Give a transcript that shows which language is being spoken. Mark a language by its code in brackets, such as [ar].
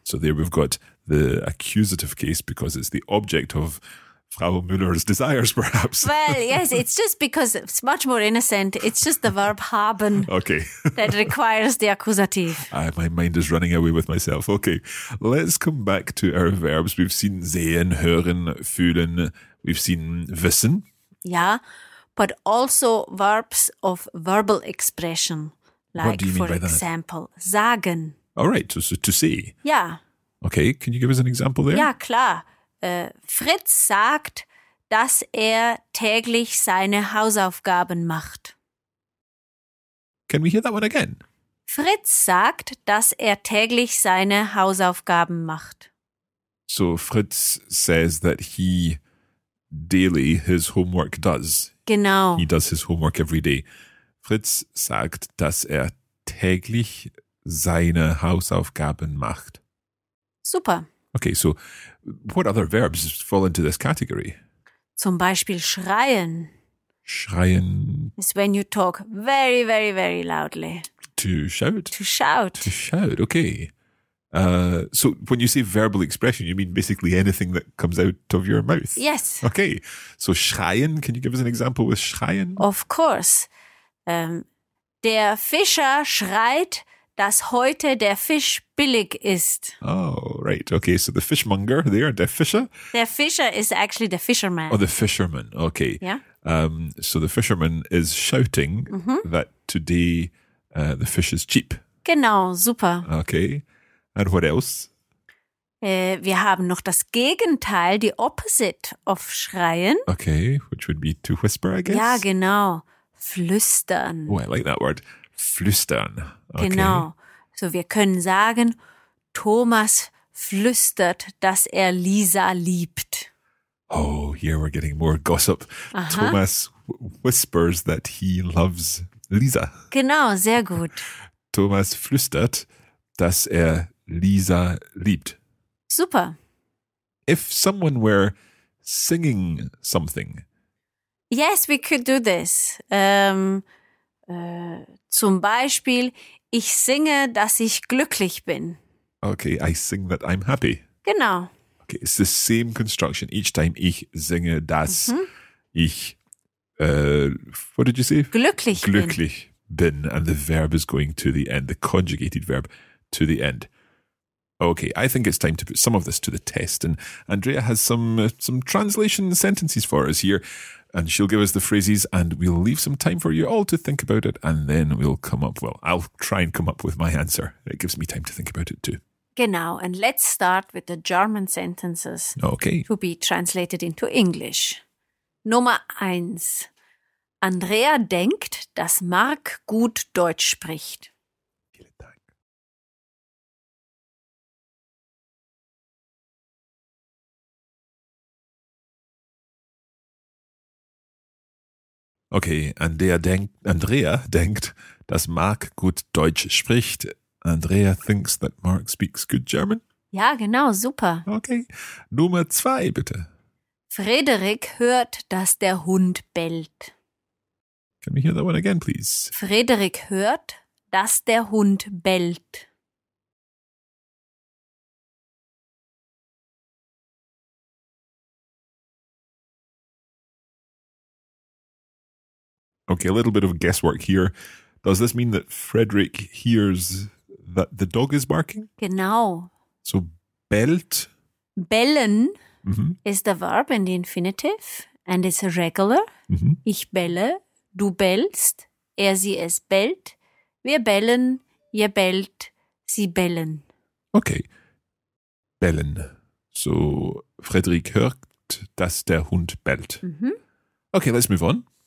[en] So there we've got the accusative case because it's the object of Frau Müller's desires, perhaps. Well, yes, it's just because it's much more innocent. It's just the verb haben okay. that requires the accusative. My mind is running away with myself. Okay, let's come back to our verbs. We've seen sehen, hören, fühlen. We've seen wissen. Yeah, but also verbs of verbal expression. Like, for example, that? [de] Sagen. [en] All right, so to say. Yeah. Okay, can you give us an example there? [de] Ja, klar. Fritz sagt, dass er täglich seine Hausaufgaben macht. [en] Can we hear that one again? [de] Fritz sagt, dass er täglich seine Hausaufgaben macht. [en] So Fritz says that he daily his homework does. [de] Genau. [en] He does his homework every day. [de] Fritz sagt, dass er täglich seine Hausaufgaben macht. Super. [en] Okay, so what other verbs fall into this category? [de] Zum Beispiel schreien. Schreien. [en] It's when you talk very, very, very loudly. To shout. To shout. To shout, okay. So when you say verbal expression, you mean basically anything that comes out of your mouth? Yes. Okay. So schreien, can you give us an example with schreien? Of course. [de] Der Fischer schreit, dass heute der Fisch billig ist. [en] Oh, right. Okay, so the fishmonger there, der Fischer. Der Fischer is actually the fisherman. Oh, the fisherman. Okay. Yeah. So the fisherman is shouting that today the fish is cheap. [de] Genau, super. [en] Okay. And what else? [de] Wir haben noch das Gegenteil, [en] the opposite of [de] schreien. [en] Okay, which would be to whisper, I guess. [de] Ja, genau. Flüstern. [en] Oh, I like that word. Flüstern. Okay. [de] Genau. So wir können sagen, Thomas flüstert, dass er Lisa liebt. [en] Oh, here we're getting more gossip. Aha. Thomas whispers that he loves Lisa. [de] Genau, sehr gut. Thomas flüstert, dass er Lisa liebt. Super. [en] If someone were singing something. Yes, we could do this. [de] Zum Beispiel, ich singe, dass ich glücklich bin. [en] Okay, I sing that I'm happy. [de] Genau. [en] Okay, it's the same construction each time. [de] Ich singe, dass ich, [en] what did you say? [de] Glücklich bin. [en] And the verb is going to the end, the conjugated verb to the end. Okay, I think it's time to put some of this to the test. And Andrea has some translation sentences for us here. And she'll give us the phrases and we'll leave some time for you all to think about it. And then we'll come up, well, I'll try and come up with my answer. It gives me time to think about it too. Genau, and let's start with the German sentences. Okay. To be translated into English. [de] Nummer eins. Andrea denkt, dass Mark gut Deutsch spricht. Vielen Dank. Okay, Andrea denkt, dass Mark gut Deutsch spricht. [en] Andrea thinks that Mark speaks good German? [de] Ja, genau, super. Okay, Nummer zwei, bitte. Frederik hört, dass der Hund bellt. [en] Can we hear that one again, please? [de] Frederik hört, dass der Hund bellt. [en] Okay, a little bit of guesswork here. Does this mean that Frederick hears that the dog is barking? [de] Genau. So bellt. [en] Bellen is the verb in the infinitive and it's a regular. Mm-hmm. [de] Ich belle, du bellst, er, sie, es bellt, wir bellen, ihr bellt, sie bellen. [en] Okay, bellen. [de] So Frederick hört, dass der Hund bellt. Mm-hmm. [en] Okay, let's move on.